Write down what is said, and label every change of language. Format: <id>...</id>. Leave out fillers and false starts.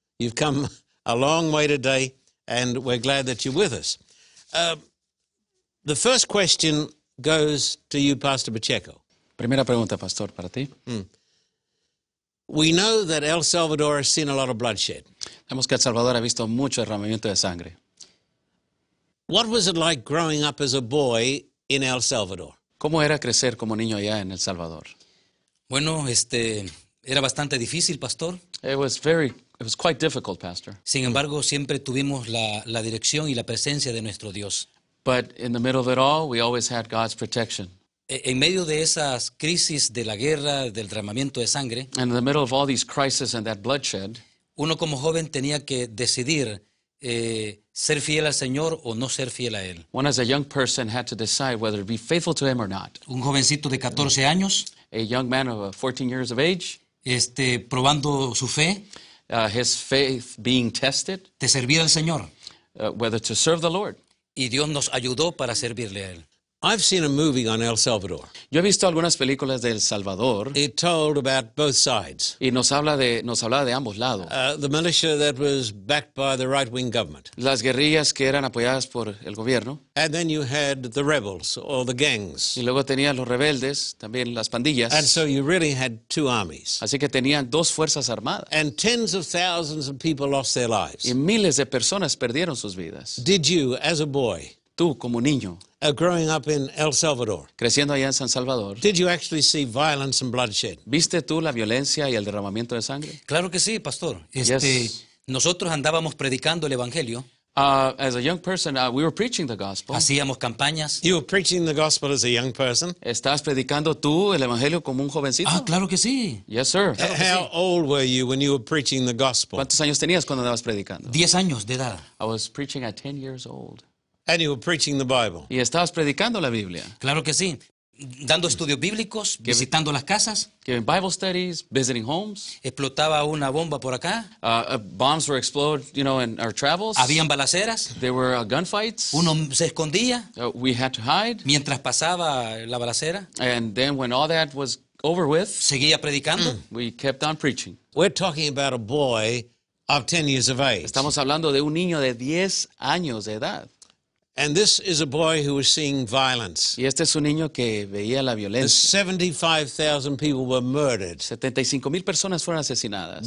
<en>You've come a long way today, and we're glad that you're with us. The first question goes to you, Pastor Pacheco.</en> <es>Primera pregunta, Pastor, para ti.</es> <en>We know that El Salvador has seen a lot of bloodshed.</en> <es>Sabemos que El Salvador ha visto mucho derramamiento de sangre.</es> <en>What was it like growing up as a boy in El Salvador?</en> <es>¿Cómo era crecer como niño allá en El Salvador? Bueno, era bastante difícil, Pastor.</es> <en>It was quite difficult, Pastor.</en> <es>Sin embargo, siempre tuvimos la dirección y la presencia de nuestro Dios.</es> <en>But in the middle of it all, we always had God's protection.</en> <es>En medio de esas crisis de la guerra, del derramamiento de sangre,</es> <en>and in the middle of all these crises and that bloodshed,</en> <es>uno como joven tenía que decidir ser fiel al Señor o no ser fiel a Él.</es> <en>One as a young person had to decide whether to be faithful to Him or not.</en> <es>Un jovencito de 14 años,</es> <en>a young man of 14 years of age,</en> <es>probando su fe,</es> <en>his faith being tested,</en> <es>de servir al Señor,</es> <en>whether to serve the Lord.</en> <es>Y Dios nos ayudó para servirle a Él.</es> <en>I've seen a movie on El Salvador.</en> <es>Yo he visto algunas películas de El Salvador.</es> <en>It told about both sides.</en> <es>Y nos hablaba de ambos lados.</es> <en>The militia that was backed by the right-wing government.</en> <es>Las guerrillas que eran apoyadas por el gobierno.</es> <en>And then you had the rebels or the gangs.</en> <es>Y luego tenías los rebeldes, también las pandillas.</es> <en>And so you really had two armies.</en> <es>Así que tenían dos fuerzas armadas.</es> <en>And tens of thousands of people lost their lives.</en> <es>Y miles de personas perdieron sus vidas.</es> <en>Did you, as a boy,</en> <es>tú, como niño,</es> <en>growing up in El Salvador,</en> <es>creciendo allá en San Salvador,</es> <en>did you actually see violence and bloodshed?</en> <es>¿Viste tú la violencia y el derramamiento de sangre? Claro que sí, Pastor. Nosotros andábamos predicando el Evangelio.</es> <en>As a young person, we were preaching the gospel.</en> <es>Hacíamos campañas.</es> <en>You were preaching the gospel as a young person.</en> <es>¿Estás predicando tú el Evangelio como un jovencito? Ah, claro que sí.</es> <en>Yes, sir. How old were you when you were preaching the gospel?</en> <es>¿Cuántos años tenías cuando andabas predicando? 10 años de edad.</es> <en>I was preaching at 10 years old. And you were preaching the Bible.</en> <es>Y estabas predicando la Biblia. Claro que sí. Dando estudios bíblicos, visitando las casas.</es> <en>Giving Bible studies, visiting homes.</en> <es>Explotaba una bomba por acá.</es> <en>Bombs were exploded, you know, in our travels.</en> <es>Habían balaceras.</es> <en>There were gunfights.</en> <es>Uno se escondía.</es> <en>We had to hide.</en> <es>Mientras pasaba la balacera.</es> <en>And then when all that was over with,</en> <es>seguía predicando.</es> <en>We kept on preaching. We're talking about a boy of 10 years of age.</en> <es>Estamos hablando de un niño de 10 años de edad.</es> <en>And this is a boy who was seeing violence.</en> <es>Y este es un niño que veía la violencia.</es> <en>75,000 people were murdered.</en> <es>75,000 personas fueron asesinadas.</es>